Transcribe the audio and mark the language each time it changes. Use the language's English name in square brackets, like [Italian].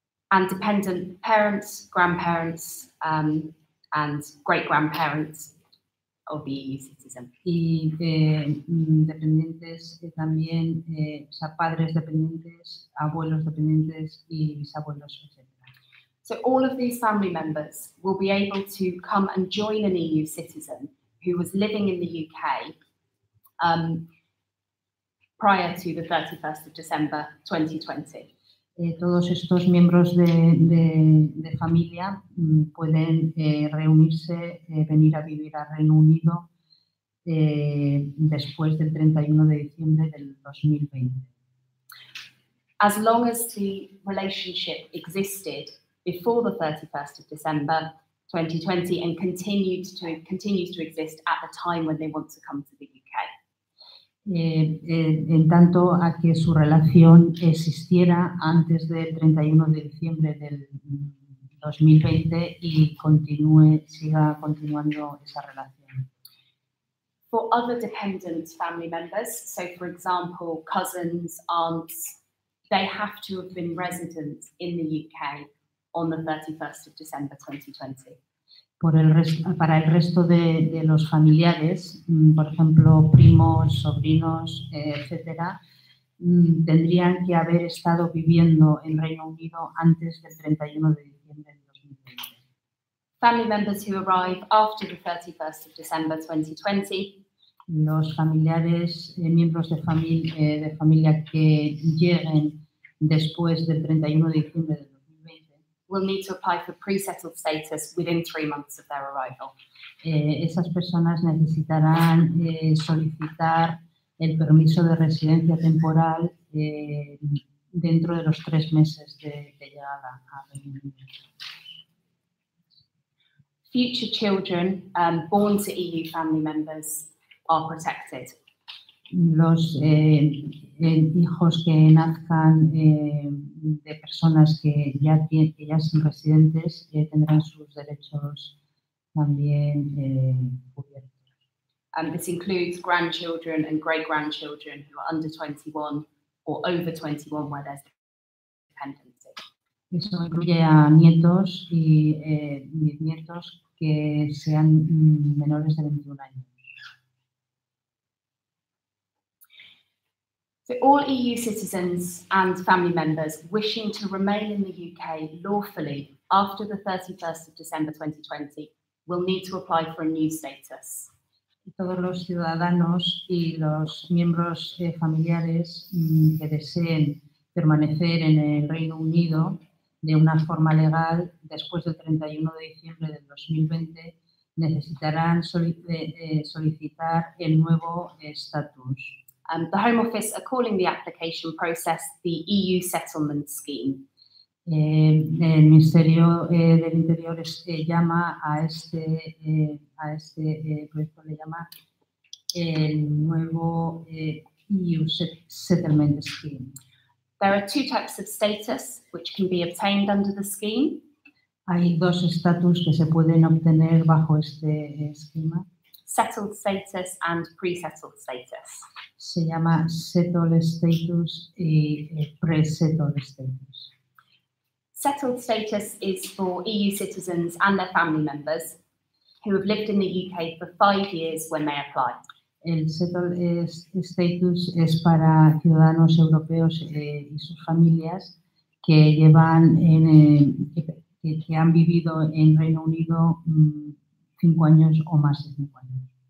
[English] And dependent parents, grandparents and great-grandparents. Of the EU citizen. [Spanish] Y dependientes también, o sea, padres dependientes, abuelos dependientes y bisabuelos, etc. [English] So all of these family members will be able to come and join an EU citizen who was living in the UK prior to the 31st of December 2020. [Spanish] Todos estos miembros de familia pueden reunirse, venir a vivir a Reino Unido después del 31 de diciembre del 2020. [English] As long as the relationship existed before the 31st of December 2020 and continues to exist at the time when they want to come to the UK. [Spanish] En tanto a que su relación existiera antes del 31 de diciembre del 2020 y siga continuando esa relación. [English] For other dependent family members, so for example, cousins, aunts, they have to have been resident in the UK on the 31st of December 2020. [Spanish] Para el resto de los familiares, por ejemplo, primos, sobrinos, etcétera, tendrían que haber estado viviendo en Reino Unido antes del 31 de diciembre de 2020. [English] Family members who arrive after the 31st of December 2020. [Spanish] Los familiares, miembros de familia que lleguen después del 31 de diciembre de [English] will need to apply for pre-settled status within 3 months of their arrival. [Spanish] Esas personas necesitarán solicitar el permiso de residencia temporal dentro de los 3 meses de llegada a Reino Unido. [English] Future children born to EU family members are protected. [Spanish] Los hijos que nazcan de personas que ya son residentes tendrán sus derechos también cubiertos. [English] This includes grandchildren and great-grandchildren who are under 21 or over 21 where there's dependency. [Spanish] Eso incluye a nietos y bisnietos que sean menores de 21 años. [English] So all EU citizens and family members wishing to remain in the UK lawfully after the 31st of December 2020 will need to apply for a new status. [Spanish] Todos los ciudadanos y los miembros familiares que deseen permanecer en el Reino Unido de una forma legal después del 31 de diciembre del 2020 necesitarán solicitar el nuevo estatus. [English] The Home Office are calling the application process the EU Settlement Scheme. [Spanish] El Ministerio del Interior llama a este proyecto le llama el nuevo EU Settlement Scheme. [English] There are two types of status which can be obtained under the scheme. [Spanish] Hay dos estatus que se pueden obtener bajo este esquema. [English] Settled status and pre-settled status. [Spanish] Se llama settled status y pre-settled status. [English] Settled status is for EU citizens and their family members who have lived in the UK for 5 years when they apply. [Spanish] El settled status es para ciudadanos europeos y sus familias que llevan que han vivido en Reino Unido 5 años o más de 5 años.